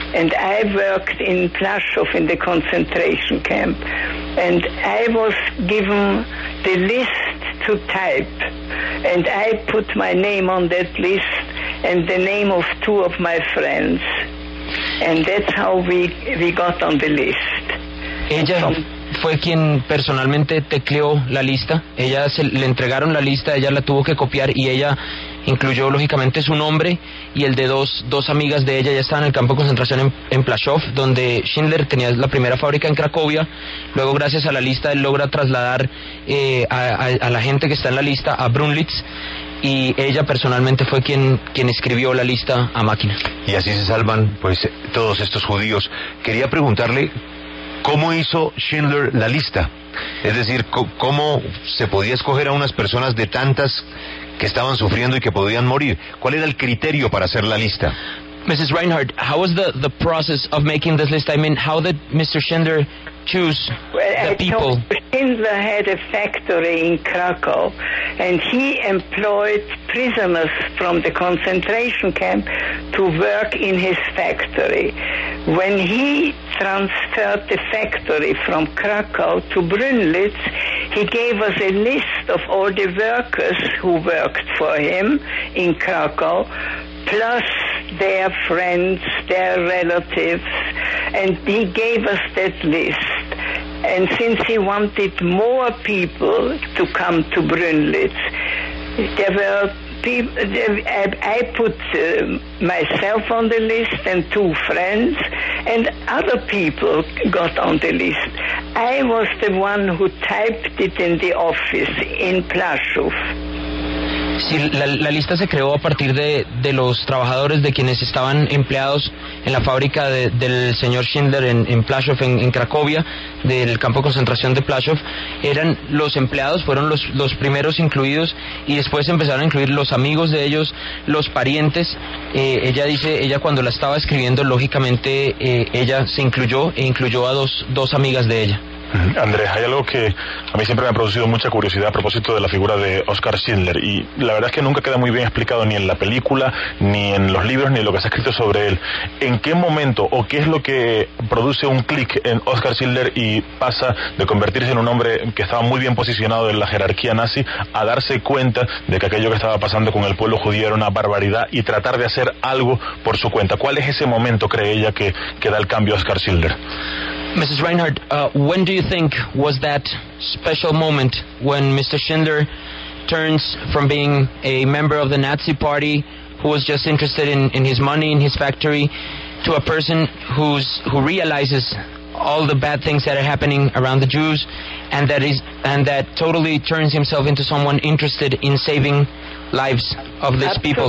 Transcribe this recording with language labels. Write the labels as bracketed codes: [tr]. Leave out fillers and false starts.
[en] And I worked in Plaszów in the concentration camp, and I was given the list to type, and I put my name on that list and the name of two of my friends, and that's how we got on the list. [es] Ella fue quien personalmente tecleó la lista. Ella se le entregaron la lista, ella la tuvo que copiar, y ella incluyó lógicamente su nombre y el de dos amigas de ella. Ya estaba en el campo de concentración en Plaszów, donde Schindler tenía la primera fábrica en Cracovia. Luego, gracias a la lista, él logra trasladar a la gente que está en la lista a Brünnlitz, y ella personalmente fue quien escribió la lista a máquina. Y así se salvan, pues, todos estos judíos. Quería preguntarle, ¿cómo hizo Schindler la lista? Es decir, ¿cómo se podía escoger a unas personas de tantas que estaban sufriendo y que podían morir? ¿Cuál era el criterio para hacer la lista? [en] Mrs. Reinhardt, how was the process of making this list? I mean, how did Mr. Schindler choose the people? Schindler had a factory in Krakow, and he employed prisoners from the concentration camp to work in his factory. When he transferred the factory from Krakow to Brünnlitz, he gave us a list of all the workers who worked for him in Krakow, plus their friends, their relatives, and he gave us that list. And since he wanted more people to come to Brünnlitz, I put myself on the list and two friends, and other people got on the list. I was the one who typed it in the office in Plaszów. [es] Sí, la lista se creó a partir de los trabajadores, de quienes estaban empleados en la fábrica del señor Schindler en Plaszów, en Cracovia, del campo de concentración de Plaszów. Eran los empleados, fueron los primeros incluidos, y después empezaron a incluir los amigos de ellos, los parientes. Ella cuando la estaba escribiendo, lógicamente, ella se incluyó e incluyó a dos amigas de ella. Andrés, hay algo que a mí siempre me ha producido mucha curiosidad a propósito de la figura de Oscar Schindler, y la verdad es que nunca queda muy bien explicado ni en la película, ni en los libros, ni en lo que se ha escrito sobre él. ¿En qué momento o qué es lo que produce un clic en Oscar Schindler y pasa de convertirse en un hombre que estaba muy bien posicionado en la jerarquía nazi a darse cuenta de que aquello que estaba pasando con el pueblo judío era una barbaridad y tratar de hacer algo por su cuenta? ¿Cuál es ese momento, cree ella, que da el cambio a Oscar Schindler? [en] Mrs. Reinhardt, when do you think was that special moment when Mr. Schindler turns from being a member of the Nazi Party who was just interested in his money, in his factory, to a person who realizes all the bad things that are happening around the Jews, and that totally turns himself into someone interested in saving lives of these people?